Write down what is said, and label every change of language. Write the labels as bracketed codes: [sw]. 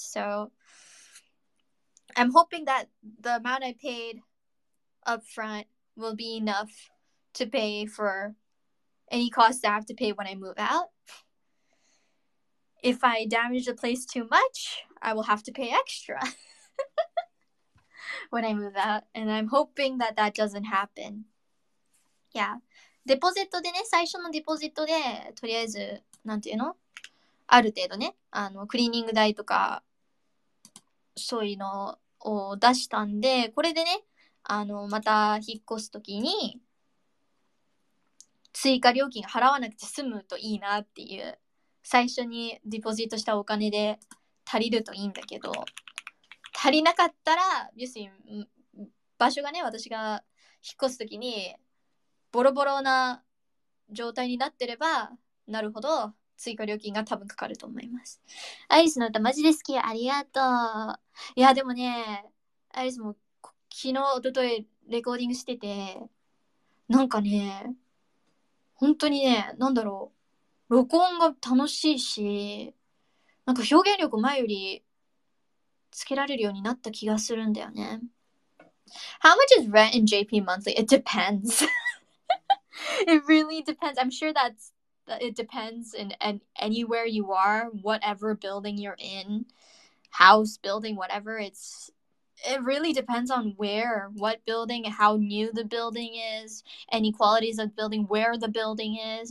[en] So I'm hoping that the amount I paid up front will be enough to pay for any costs I have to pay when I move out. If I damage the place too much, I will have to pay extra. When I move out, and I'm hoping that that doesn't happen. Yeah. [ja] デポジットでね、最初のデポジットで、とりあえず、なんていうの? ある程度ね、あの、クリーニング代とか、そういうのを出したんで、これでね、あの、また引っ越すときに、追加料金払わなくて済むといいなっていう、最初にデポジットしたお金で足りるといいんだけど、足りなかったら、要するに場所がね、私が引っ越すときにボロボロな状態になってれば、なるほど追加料金が多分かかると思います。アイリスの歌マジで好き、ありがとう。いやでもね、アイリスも昨日一昨日レコーディングしてて、なんかね本当にね、なんだろう、録音が楽しいし、なんか表現力前よりつけられるようになった気がするんだよね。 [en] How much is rent in JP monthly? It depends. It really depends. I'm sure that's, that it depends in anywhere you are, whatever building you're in, house, building, whatever. It really depends on where, what building, how new the building is, any qualities of the building, where the building is.